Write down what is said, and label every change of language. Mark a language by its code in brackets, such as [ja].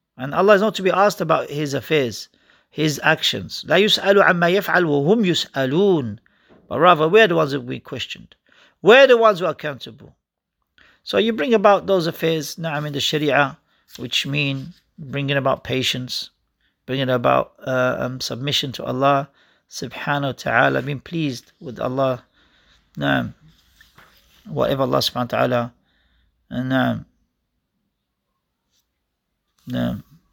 [en] And Allah is not to be asked about his affairs, his actions. [ar] لا يسألوا عما يفعل وهم يسألون. [en] But rather, we are the ones who will be questioned. We are the ones who are accountable. So you bring about those affairs, na'am, in the Sharia, which mean bringing about patience, bringing about submission to Allah, subhanahu wa ta'ala, being pleased with Allah, na'am, whatever Allah subhanahu wa ta'ala, na'am, na'am.